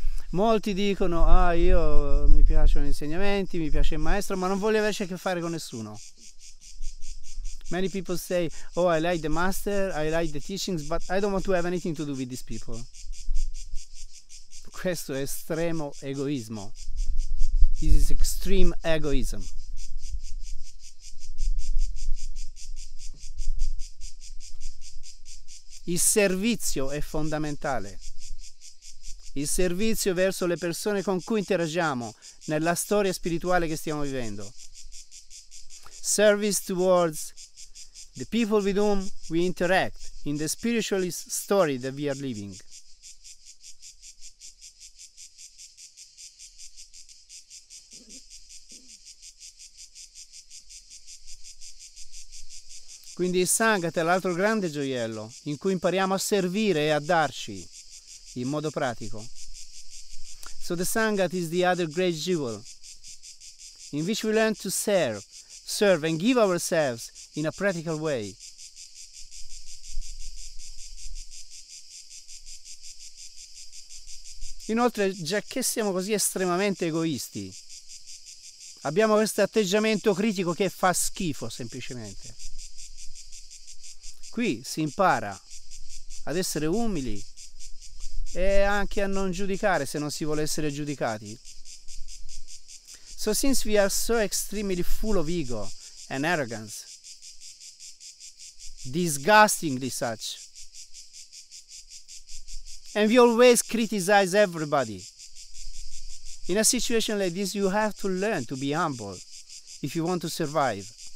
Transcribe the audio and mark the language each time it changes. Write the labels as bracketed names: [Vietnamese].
[Italian] Molti dicono: ah, io mi piacciono gli insegnamenti, mi piace il maestro, ma non voglio avere a che fare con nessuno. [English] Many people say: oh, I like the master, I like the teachings, but I don't want to have anything to do with these people. [Italian] Questo è estremo egoismo. [English] This is extreme egoism. [Italian] Il servizio è fondamentale. Il servizio verso le persone con cui interagiamo nella storia spirituale che stiamo vivendo. [English] Service towards the people with whom we interact in the spiritual story that we are living. [Italian] Quindi il Sangha è l'altro grande gioiello in cui impariamo a servire e a darci in modo pratico. [English] So the Sangha is the other great jewel in which we learn to serve and give ourselves in a practical way. [Italian] Inoltre, già che siamo così estremamente egoisti, abbiamo questo atteggiamento critico che fa schifo semplicemente. Qui si impara ad essere umili e anche a non giudicare se non si vuole essere giudicati. [English] So since we are so extremely full of ego and arrogance, disgustingly such, and we always criticize everybody, in a situation like this you have to learn to be humble if you want to survive.